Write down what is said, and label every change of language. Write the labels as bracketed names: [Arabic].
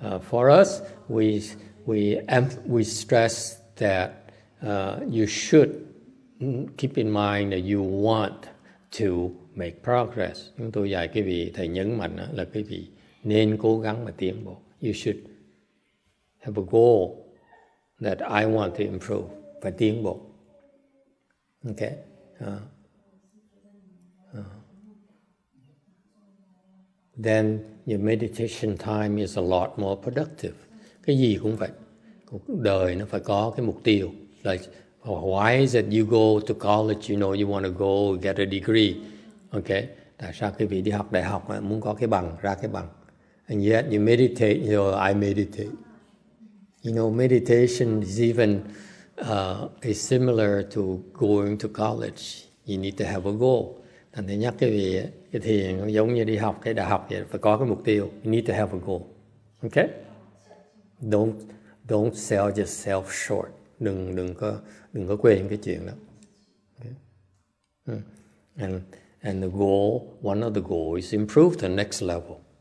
[English] For us, we stress that you should keep in mind that you want to make progress. [Vietnamese] Chúng tôi dạy cái vị thầy nhấn mạnh là cái vị nên cố gắng mà tiến bộ. [English] You should have a goal that I want to improve, [Vietnamese] phải tiến bộ. Okay. [English] Then your meditation time is a lot more productive. [Vietnamese] Cái gì cũng vậy. Cuộc đời nó phải có cái mục tiêu. [English] Like, why is it you go to college, you know, you want to go get a degree. Okay. [Vietnamese] Tại sao cái vị đi học đại học mà muốn có cái bằng, ra cái bằng. [English] And yet you meditate, you know, I meditate. You know, meditation is even is similar to going to college. You need to have a goal. [Vietnamese] Thành thế nhắc cái vị ấy, cái thiền nó giống như đi học cái đại học vậy, phải có cái mục tiêu. [English] You need to have a goal. Okay? Don't sell yourself short. [Vietnamese] Đừng có quên cái chuyện đó. Okay? [English] And the goal, one of the goals is improve the next level.